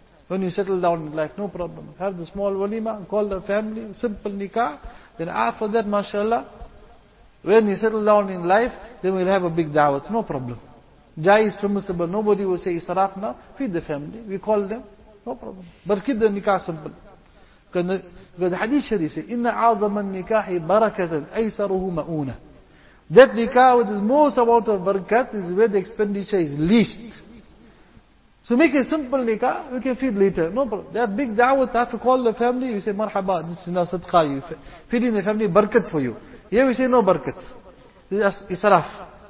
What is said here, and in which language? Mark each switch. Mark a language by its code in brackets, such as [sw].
[en] When you settle down in life, no problem. Have the small walima, call the family, simple nikah. Then after that, mashallah, when you settle down in life, then we'll have a big da'wah. No problem. Jai is permissible. Nobody will say israfna. Feed the family. We call them. No problem. But keep the nikah simple. Because the hadith sharif says, [ar] إِنَّ عَظَمَ النِّكَاحِ بَرَكَةً أَيْسَرُهُ مَأُونَةً. [en] That nikah with the most amount of barakat is where the expenditure is least. So make a simple nikah, we can feed later. No problem. They have big da'wah, have to call the family, you say, marhaba, this is now sadqa, feeding the family, barakat for you. Here we say, no barakat. This is israf.